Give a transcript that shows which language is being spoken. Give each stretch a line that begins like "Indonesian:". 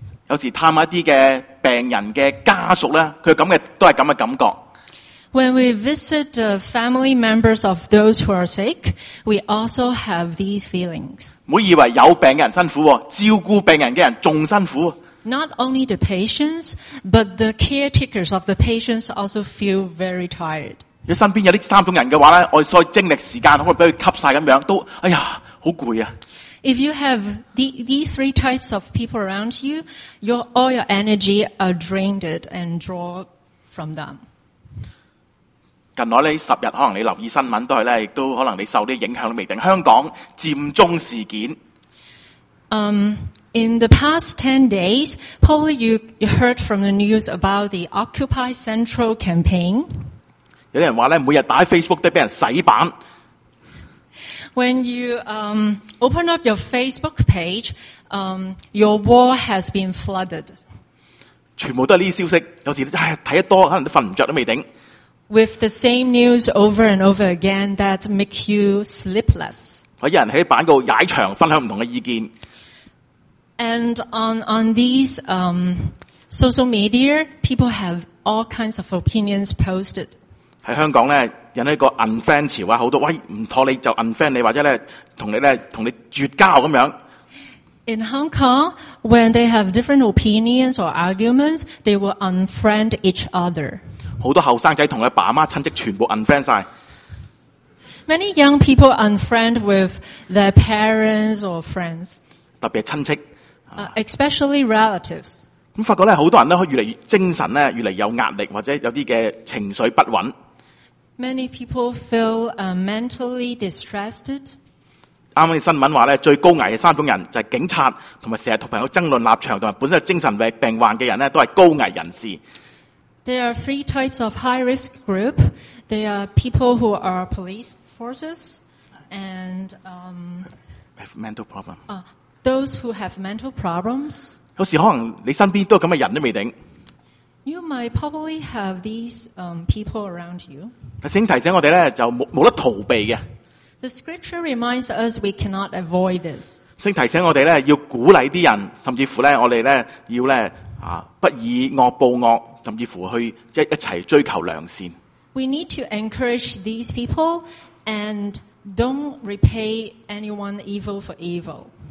Cantonese: 有时探一啲嘅病人嘅家属咧，佢咁嘅都系咁嘅感觉。
English: When we visit the family members of those who are sick, we also have these feelings.
Cantonese: 唔好以为有病嘅人辛苦，照顾病人嘅人仲辛苦。
English: Not only the patients, but the caretakers of the patients also feel very tired.
Cantonese: 如果身边有呢三种人嘅话咧，我所精力时间可能俾佢吸晒咁样，都哎呀好攰啊！
English: If you have these three types of people around you, all your energy are drained and draw from them.
Cantonese: 近来呢十日，可能你留意新闻都系咧，亦都可能你受啲影响都未定。香港占中事件。
English: In the past 10 days, probably you heard from the news about the Occupy Central campaign.
Cantonese: 有人话咧，每日打 Facebook 都俾人洗版。
English: When you open up your Facebook page, your wall has been flooded.
Cantonese: 全部都系呢啲消息，有时唉睇得多，可能都瞓唔着都未定。
English: With the same news over and over again that make you sleepless.
Cantonese: 有人喺版度踩墙，分享唔同嘅意见。
English: And on these social media, people have all kinds of opinions posted.
Cantonese: 喺香港咧。引起一个 unfriend 潮啊，好多喂唔妥你就 unfriend 你，或者咧同你绝交咁样。
English: In Hong Kong, when they have different opinions or arguments, they will unfriend each other.
Cantonese: 好多后生仔同佢爸妈亲戚全部 unfriend 晒。
English: Many young people unfriend with their parents or friends.
Cantonese: 特别系亲戚。
English: Especially relatives.
Cantonese: 咁发觉咧，好多人咧，越嚟越精神咧，越嚟有压力，或者有啲嘅情绪不稳。
English: Many people feel mentally distressed.
Cantonese: 啱啱新闻话咧，最高危嘅三种人就系警察，同埋成日同朋友争论立场，同埋本身精神病患嘅人咧，都系高危人士。
English: There are three types of high risk group. They are people who are police forces and mental problem. Those who have mental problems.
Cantonese: 有时可能你身边都咁嘅人都未定。
English: You might probably have these people around you.
Cantonese: 圣提醒我哋咧，就冇得逃避嘅。
English: The scripture reminds us we cannot avoid this.
Cantonese: 圣提醒我哋咧，要鼓励啲人，甚至乎咧，我哋咧要咧不以恶报恶，甚至乎去一齐追求良善。
English: We need to encourage these people and don't repay anyone evil for evil.